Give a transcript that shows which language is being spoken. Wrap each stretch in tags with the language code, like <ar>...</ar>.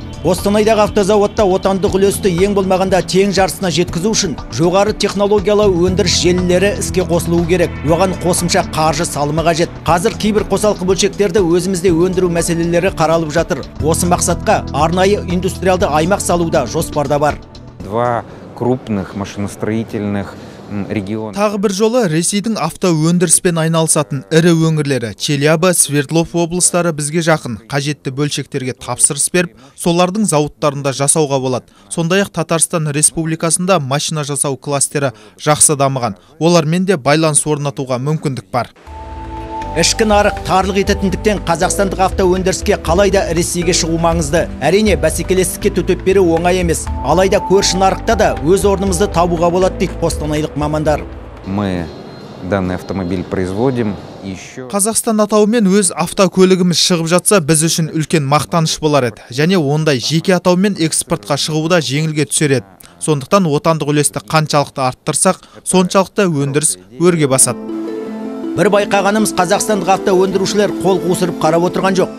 <kk>Қостанайдағы автозауытта отандық үлесті ең болмағанда тең жартысына жеткізу үшін жоғары технологиялау өндіріс желілері іске қосылуы керек. Оған қосымша қаржы салымы қажет. Қазір кейбір қосалқы бөлшектерді өзімізде өндіру мәселелері қаралып жатыр. Осы мақсатқа арнайы индустриалды аймақ салуда жоспарда бар.</kk> <ru>Два крупных машиностроительных регион.</ru> <kk>Тағы бір жолы Ресейдің авто өндіріспен айналысатын ірі өңірлері Челябі, Свердлов облыстары бізге жақын. Қажетті бөлшектерге тапсырыс беріп, солардың зауыттарында жасауға болады. Сондай-ақ Татарстан Республикасында машина жасау кластері жақсы дамыған. Олармен де байланыс орнатуға мүмкіндік бар. Ішкі нарық тарлық ететіндіктен қазақстандық авто өндіріске қалайда Ресейге шығу маңызды. Әрине, бәсекелестікке төтеп беру оңай емес. Алайда көрші нарықта да өз орнымызды табуға болады дейді қостанайлық мамандар.</kk> <ru>Мы данный автомобиль производим.</ru> <kk>Қазақстан атауымен өз автокөлігіміз шығып жатса, біз үшін үлкен мақтаныш болар еді. Және ондай жеке атауымен экспортқа шығуда жеңілге түсер еді. Сондықтан отандық үлесті қаншалықты арттырсақ, соншалықты өндіріс өрге басады. Бір байқағанымыз, қазақстандық авто өндірушілер қол қусырып қарап отырған жоқ.</kk>